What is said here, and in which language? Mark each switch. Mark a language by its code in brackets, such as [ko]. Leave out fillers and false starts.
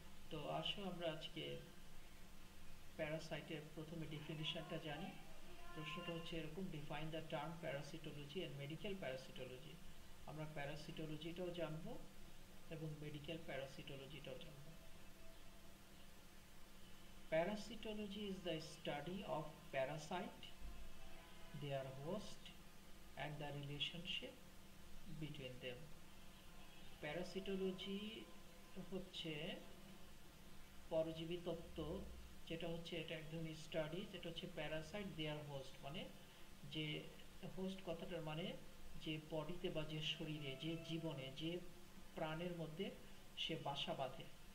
[bn] তো আসো আমরা আজকে প্যারাসাইটের প্রথমে ডিফিনিশনটা জানি। প্রশ্নটা হচ্ছে এরকম, define the term প্যারাসিটোলজি and medical প্যারাসিটোলজি। আমরা প্যারাসিটোলজিটাও জানবো এবং মেডিকেল প্যারাসিটোলজিটাও জানবো। [en] Parasitology is the study of parasite, their host, and the relationship between them. [bn] Parasitology হচ্ছে পরজীবী তত্ত্ব, যেটা হচ্ছে এটা একদমই স্টাডি, যেটা হচ্ছে প্যারাসাইট দেয়ার হোস্ট, মানে যে হোস্ট কথাটার মানে যে বডিতে বা যে শরীরে, যে জীবনে, যে প্রাণের মধ্যে সে বাসা বাঁধে।